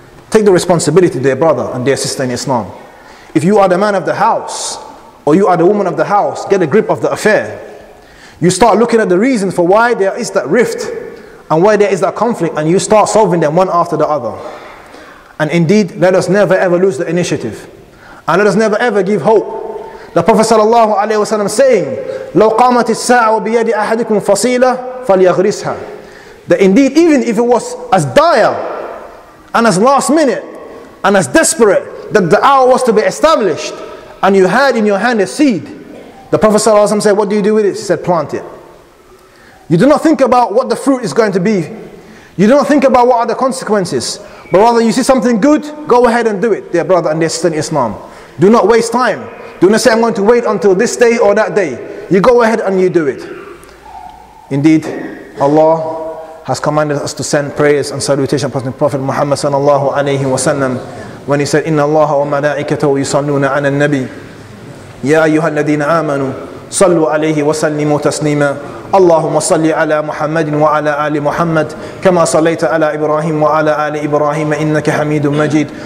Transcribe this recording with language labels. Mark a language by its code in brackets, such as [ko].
[en] Take the responsibility, dear brother and dear sister in Islam. If you are the man of the house, or you are the woman of the house, get a grip of the affair. You start looking at the reasons for why there is that rift and why there is that conflict, and you start solving them one after the other. And indeed, let us never ever lose the initiative. And let us never ever give hope. The Prophet sallallahu alaihi wasallam saying, [ar] لَوْ قَامَتِ السَّاعَ وَبِيَدِ أَحَدِكُمْ فَصِيلَةً فَلْيَغْرِسْهَا. [en] that indeed, even if it was as dire and as last minute and as desperate that the hour was to be established, and you had in your hand a seed, the Prophet ﷺ said, what do you do with it? He said, plant it. You do not think about what the fruit is going to be. You do not think about what are the consequences. But rather you see something good, go ahead and do it, dear brother and dear sister in Islam. Do not waste time. Do not say, I'm going to wait until this day or that day. You go ahead and you do it. Indeed, Allah has commanded us to send prayers and salutation upon the Prophet Muhammad sallallahu alayhi wa sallam, when he said, [ar] إِنَّ اللَّهَ وَمَلَائِكَتَهُ يُصَلُّونَ عَلَى النَّبِيِّ يَا أَيُّهَا الَّذِينَ آمَنُوا صَلُّوا عَلَيْهِ وَسَلِّمُوا تَسْلِيمًا اللهم صل على محمد وعلى آل محمد كما صليت على إبراهيم وعلى آل إبراهيم إنك حميد مجيد